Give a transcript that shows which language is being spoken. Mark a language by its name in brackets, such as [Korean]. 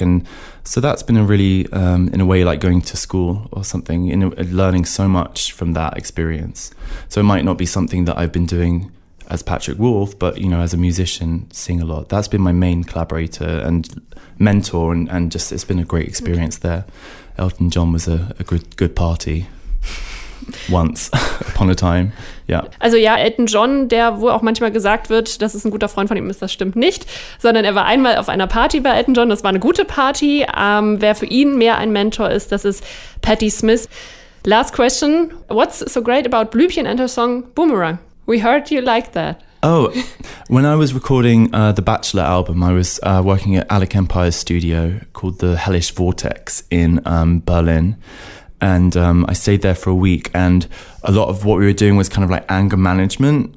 [English] And so that's been a really, in a way, like going to school or something, learning so much from that experience. So it might not be something that I've been doing as Patrick Wolf, but, you know, as a musician, seeing a lot. That's been my main collaborator and mentor, and just it's been a great experience there. Elton John was a good party. Once upon a time, ja. Yeah. [German] Also ja, Elton John, der wohl auch manchmal gesagt wird, das ist ein guter Freund von ihm, ist, das stimmt nicht, sondern er war einmal auf einer Party bei Elton John, das war eine gute Party. Wer für ihn mehr ein Mentor ist, das ist Patti Smith. [English] Last question, what's so great about Blümchen and her song Boomerang? We heard you like that. Oh, when I was recording the Bachelor album, I was working at Alec Empire's studio called the Hellish Vortex in Berlin. And I stayed there for a week, and a lot of what we were doing was kind of like anger management.